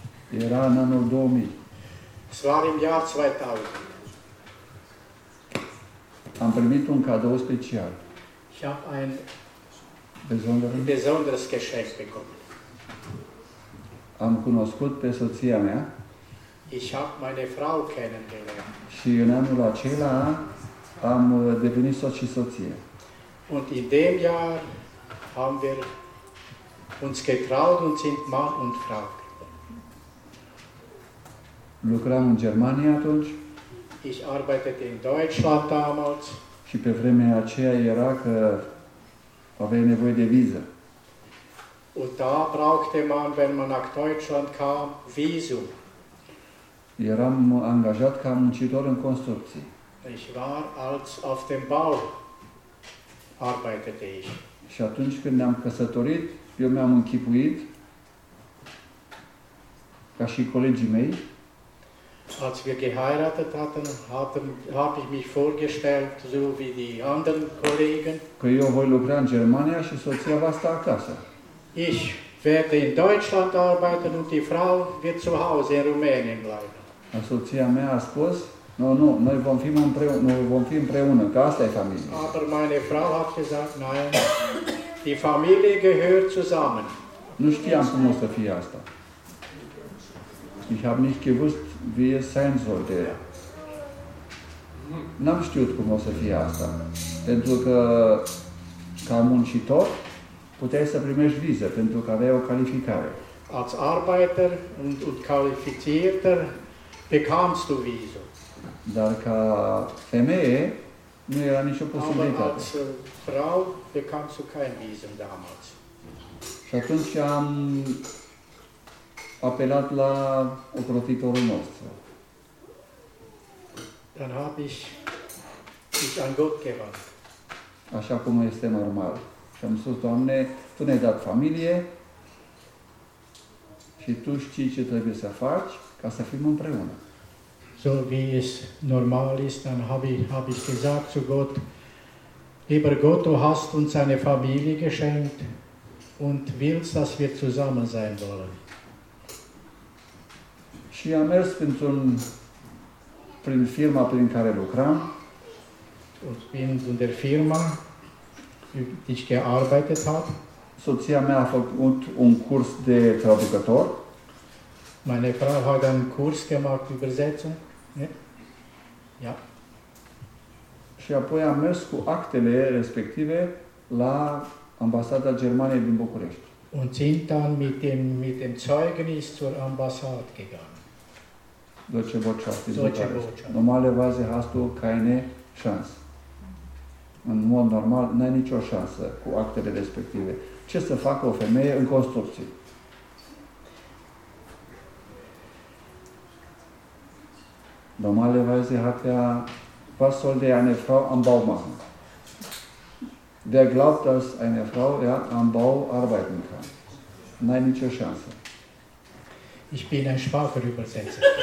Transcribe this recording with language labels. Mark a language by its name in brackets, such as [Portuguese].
[Romanian] Era in anno 2000. [German] Es war im Jahr 2000. [Romanian] Am primit un cadou special. [German] Ich habe ein besonderes Geschenk bekommen. [Romanian] Am cunoscut pe soția mea. [German] Ich habe meine Frau kennengelernt. [Romanian] Și în anul acela am devenit soț și soție. [German] Und in dem Jahr haben wir uns getraut und sind Mann und Frau. [Romanian] Lucram în Germania atunci. [German] Ich arbeitete in Deutschland damals. [Romanian] Și pe vremea aceea era că aveai nevoie de viză. [German] Und da brauchte man, wenn man nach Deutschland kam, Visum. [Romanian] Eram angajat ca muncitor în construcții. [German] Ich war als auf dem Bau arbeitete ich. [Romanian] Și atunci când ne-am căsătorit, eu mi-am închipuit ca și colegii mei. [German] Als wir geheiratet hatten, habe ich mich vorgestellt, so wie die anderen Kollegen. [Romanian] Că eu voi lucra în Germania și soția va sta acasă. [German] Ich werde in Deutschland arbeiten und die Frau wird zu Hause in Rumänien bleiben. [Romanian] A soția mea a spus, nu, noi vom fi împreună, că asta e familie. [German] Aber meine Frau hat gesagt, nein, die Familie gehört zusammen. [Romanian] Nu știam cum o să fie asta. [German] Ich habe nicht gewusst, wie es sein sollte. [Romanian] N-am știut cum o să fie asta. Pentru că, ca muncitor, puteai să primești viză, pentru că aveai o calificare. [German] Als Arbeiter und qualifizierter bekamst du Visum. [Romanian] Dar ca femeie, nu era nicio posibilitate. [German] Aber als Frau bekamst du kein Visum damals. [Romanian] Și atunci am apelat la ocrotitorul nostru. [German] Dann habe ich an Gott gewandt. [Romanian] Așa cum este normal. Și am spus, Doamne, Tu ne-ai dat familie și Tu știi ce trebuie să faci ca să fim împreună. [German] So wie es normal ist, dann hab ich gesagt zu Gott, lieber Gott, Du hast uns eine Familie geschenkt und willst, dass wir zusammen sein wollen. [Romanian] Și am mers prin firma prin care lucram. [German] Und bin in der Firma, die ich gearbeitet habe. [Romanian] Soția mea a făcut un curs de traducător. [German] Meine Frau hat einen Kurs gemacht, Übersetzung. Ja. [Romanian] Și apoi am mers cu actele respective la ambasada Germaniei din București. [German] Und sind dann mit dem Zeugnis zur Ambassade gegangen. Deutsche Botschaft. Botschaft. Normalerweise hast du keine Chance. [Romanian] În mod normal, n-ai nicio șansă cu actele respective. Ce să facă o femeie în construcție? [German] Normalerweise hat ja, was sollte eine Frau am Bau machen? Wer glaubt, dass eine Frau am Bau arbeiten kann? [Romanian] N-ai nicio șansă. [German] Ich bin ein schwacher Übersetzer.